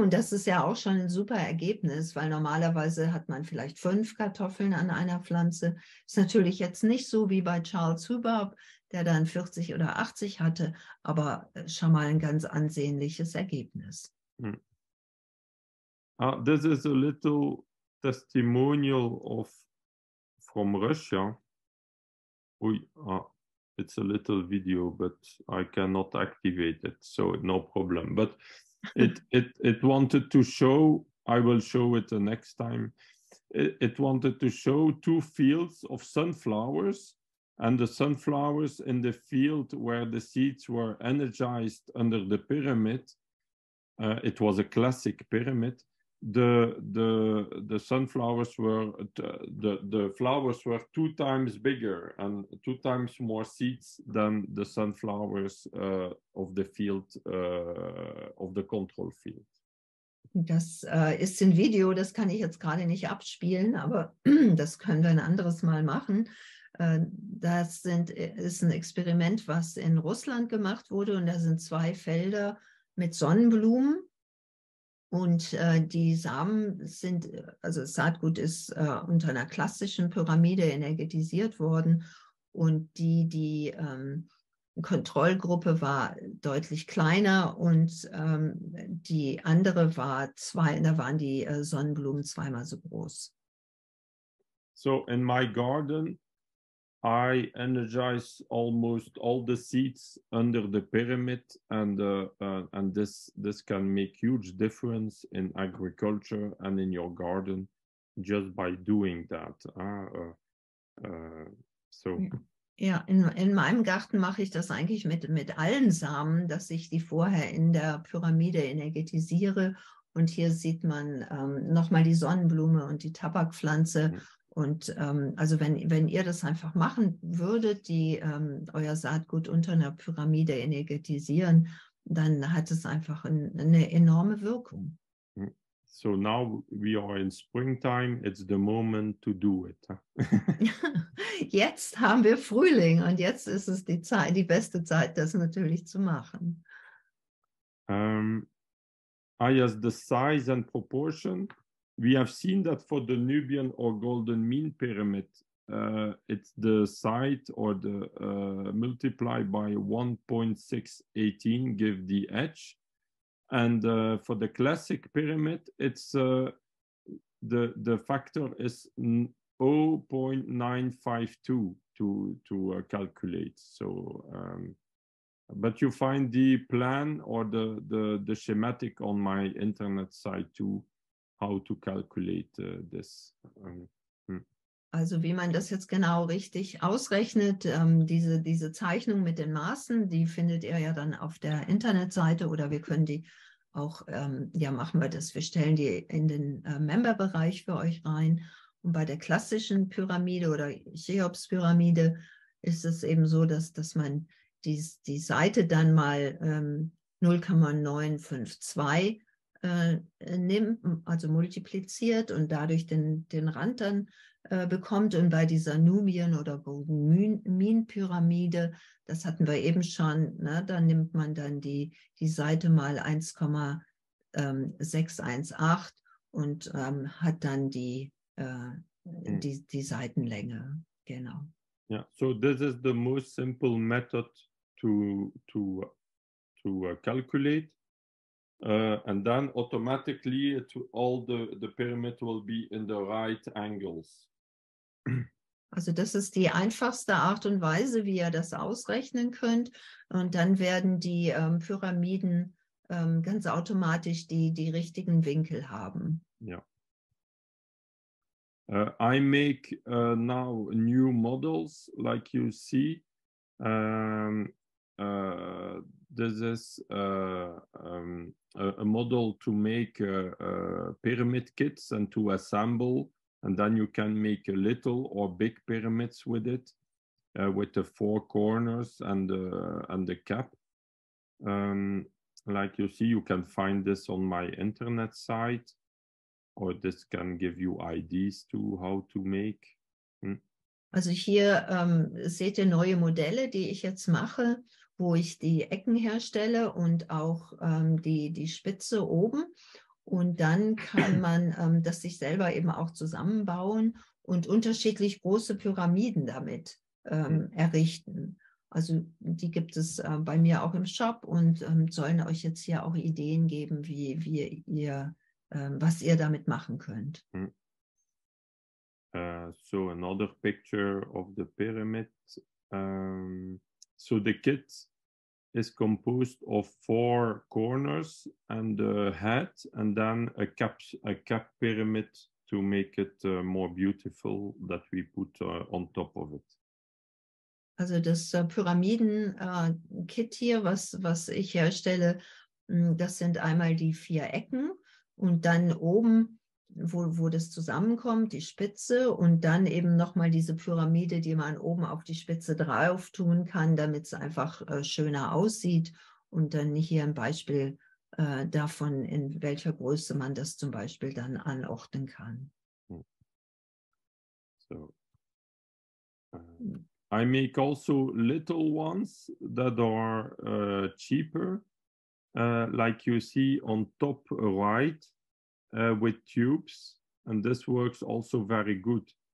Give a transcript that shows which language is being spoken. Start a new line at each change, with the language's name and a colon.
German: Und das ist ja auch schon ein super Ergebnis, weil normalerweise hat man vielleicht 5 Kartoffeln an einer Pflanze. Ist natürlich jetzt nicht so wie bei Charles Hubbard, der dann 40 oder 80 hatte, aber schon mal ein ganz ansehnliches Ergebnis. Hm.
English: Ah, this is a little testimonial from Russia. Ui, it's a little video, but I cannot activate it, so no problem. But it wanted to show, I will show it the next time. It wanted to show 2 fields of sunflowers, and the sunflowers in the field where the seeds were energized under the pyramid. It was a classic pyramid. The sunflowers were the flowers were 2 times bigger and 2 times more seeds than the sunflowers of the field of the control field.
German: Das ist ein Video, das kann ich jetzt gerade nicht abspielen, aber das können wir ein anderes Mal machen. Das ist ein Experiment, was in Russland gemacht wurde, und da sind 2 Felder mit Sonnenblumen. Und die Samen sind, also das Saatgut ist unter einer klassischen Pyramide energetisiert worden. Und die Kontrollgruppe war deutlich kleiner, und die andere war waren die Sonnenblumen 2-mal so groß.
English: So in my garden, I energize almost all the seeds under the pyramid, and this can make huge difference in agriculture and in your garden just by doing that. So.
German: Ja, in meinem Garten mache ich das eigentlich mit allen Samen, dass ich die vorher in der Pyramide energetisiere. Und hier sieht man nochmal die Sonnenblume und die Tabakpflanze. Mhm. Und also wenn ihr das einfach machen würdet, euer Saatgut unter einer Pyramide energetisieren, dann hat es einfach eine enorme Wirkung.
English: So now we are in springtime, it's the moment to do it.
German: Jetzt haben wir Frühling, und jetzt ist es die beste Zeit, das natürlich zu machen.
English: I as the size and proportion. We have seen that for the Nubian or Golden Mean Pyramid, it's the site or the multiply by 1.618 give the edge. And for the classic pyramid, it's the factor is 0.952 to calculate. So, but you find the plan or the schematic on my internet site too. How to calculate this.
German: Also wie man das jetzt genau richtig ausrechnet, diese Zeichnung mit den Maßen, die findet ihr ja dann auf der Internetseite, oder wir können die auch, machen wir das, wir stellen die in den Member-Bereich für euch rein. Und bei der klassischen Pyramide oder Cheops-Pyramide ist es eben so, dass man die Seite dann mal 0,952 nimmt, also multipliziert, und dadurch den Rand dann bekommt. Und bei dieser Nubian oder Golden Mean Pyramide, das hatten wir eben schon, ne, da nimmt man dann die Seite mal 1,618 und hat dann die Seitenlänge. Genau. Ja,
English: yeah. So this is the most simple method to calculate. And then automatically all the pyramid will be in the right angles.
German: Also das ist die einfachste Art und Weise, wie ihr das ausrechnen könnt. Und dann werden die Pyramiden ganz automatisch die richtigen Winkel haben. Ja.
English: Yeah. I make now new models, like you see. This is a model to make pyramid kits and to assemble, and then you can make a little or big pyramids with it, with the four corners and the cap. Like you see, you can find this on my internet site, or this can give you ideas to how to make.
German: Also hier seht ihr neue Modelle, die ich jetzt mache, wo ich die Ecken herstelle und auch die Spitze oben. Und dann kann man das sich selber eben auch zusammenbauen und unterschiedlich große Pyramiden damit errichten. Also die gibt es bei mir auch im Shop und sollen euch jetzt hier auch Ideen geben, wie ihr was ihr damit machen könnt. So another picture of the pyramid. So the kit is composed of four corners and a head, and then a cap pyramid to make it more beautiful that we put on top of it. Also das Pyramiden-Kit hier, was ich herstelle, das sind einmal die vier Ecken und dann oben, wo das zusammenkommt, die Spitze und dann eben nochmal diese Pyramide, die man oben auf die Spitze drauf tun kann, damit es einfach schöner aussieht. Und dann hier ein Beispiel davon, in welcher Größe man das zum Beispiel dann anordnen kann.
English: So. I make also little ones that are cheaper, like you see on top right, with tubes, and this works also very good.